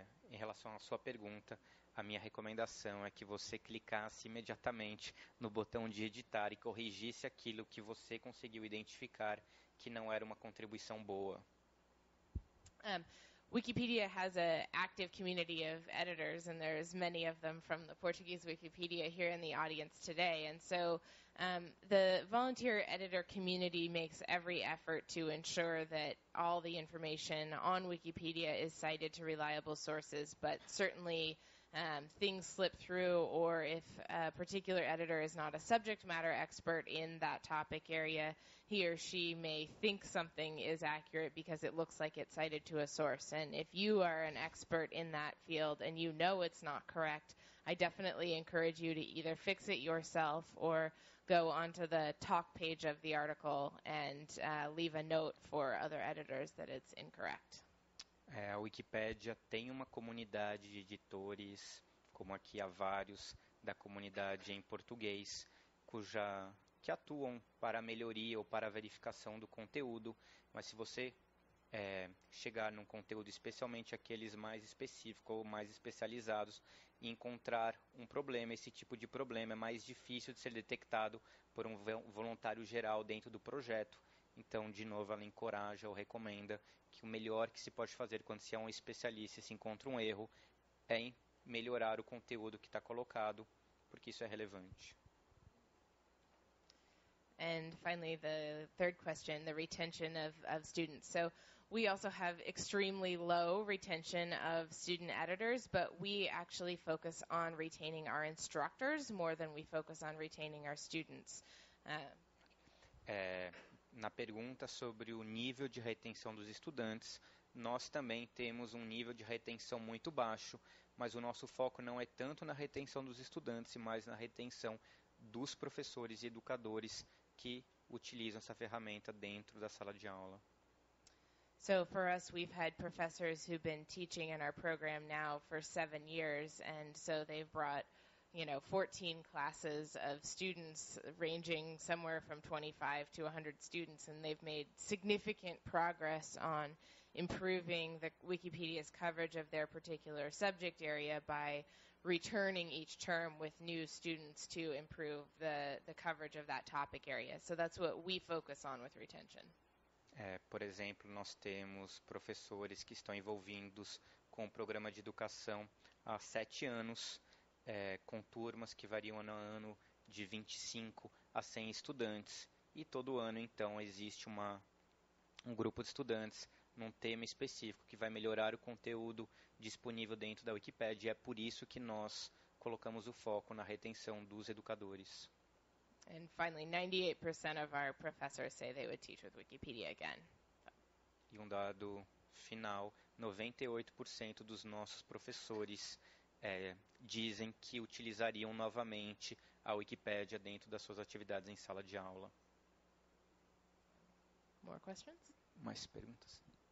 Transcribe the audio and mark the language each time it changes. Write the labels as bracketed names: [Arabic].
[Portuguese] Em relação à sua pergunta, a minha recomendação é que você clicasse imediatamente no botão de editar e corrigisse aquilo que você conseguiu identificar que não era uma contribuição boa. [English] Wikipedia has an active community of editors, and there's many of them from the Portuguese Wikipedia here in the audience today. And so the volunteer editor community makes every effort to ensure that all the information on Wikipedia is cited to reliable sources, but certainly things slip through, or if a particular editor is not a subject matter expert in that topic area, he or she may think something is accurate because it looks like it's cited to a source. And if you are an expert in that field and you know it's not correct, I definitely encourage you to either fix it yourself or go onto the talk page of the article and leave a note for other editors that it's incorrect. [Portuguese] A Wikipédia tem uma comunidade de editores, como aqui há vários, da comunidade em português, que atuam para melhoria ou para verificação do conteúdo, mas se você chegar num conteúdo, especialmente aqueles mais específicos ou mais especializados, e encontrar um problema, esse tipo de problema é mais difícil de ser detectado por um voluntário geral dentro do projeto. Então, de novo, ela encoraja ou recomenda que o melhor que se pode fazer quando se é um especialista e se encontra um erro é em melhorar o conteúdo que está colocado, porque isso é relevante. [English] And finally, the third question, the retention of students. So we also have extremely low retention of student editors, but we actually focus on retaining our instructors more than we focus on retaining our students. [Portuguese] Na pergunta sobre o nível de retenção dos estudantes, nós também temos um nível de retenção muito baixo, mas o nosso foco não é tanto na retenção dos estudantes, mas na retenção dos professores e educadores que utilizam essa ferramenta dentro da sala de aula. [English] So for us, we've had professors who've been teaching in our program now for 7 years, and so they've brought, you know, 14 classes of students ranging somewhere from 25 to 100 students, and they've made significant progress on improving the Wikipedia's coverage of their particular subject area by returning each term with new students to improve the coverage of that topic area. So that's what we focus on with retention. [Portuguese] Por exemplo, nós temos professores que estão envolvidos com o programa de educação há 7 anos, com turmas que variam ano a ano de 25 a 100 estudantes, e todo ano, então, existe um grupo de estudantes num tema específico que vai melhorar o conteúdo disponível dentro da Wikipédia, e é por isso que nós colocamos o foco na retenção dos educadores. [English] And finally, 98% of our professors say they would teach with Wikipedia again. [Portuguese] E um dado final, 98% dos nossos professores dizem que utilizariam novamente a Wikipédia dentro das suas atividades em sala de aula. [English] More questions? [Portuguese] Mais perguntas?